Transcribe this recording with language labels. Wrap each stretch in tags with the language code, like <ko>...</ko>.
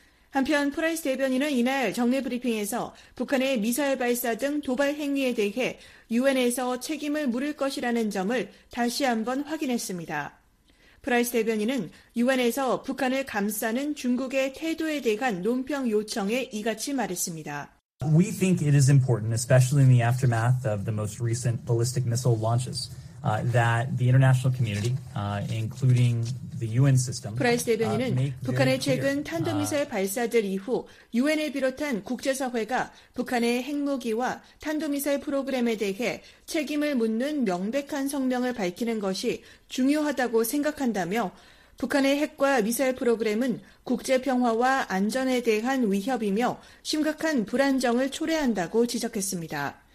<ko>한편 프라이스 대변인은 이날 정례 브리핑에서 북한의 미사일 발사 등 도발 행위에 대해 유엔에서 책임을 물을 것이라는 점을 다시 한번 확인했습니다. 프라이스 대변인은 유엔에서 북한을 감싸는 중국의 태도에 대한 논평 요청에 이같이 말했습니다.</ko> <en>We think it is important, especially in the aftermath of the most recent ballistic missile launches, that the international community, including the UN system,</en> <ko>프라이스 대변인은 북한의 최근 탄도미사일 발사들 이후 유엔을 비롯한 국제사회가 북한의 핵무기와 탄도미사일 프로그램에 대해 책임을 묻는 명백한 성명을 밝히는 것이 중요하다고 생각한다며 북한의 핵과 미사일 프로그램은 국제 평화와 안전에 대한 위협이며 심각한 불안정을 초래한다고 지적했습니다.</ko>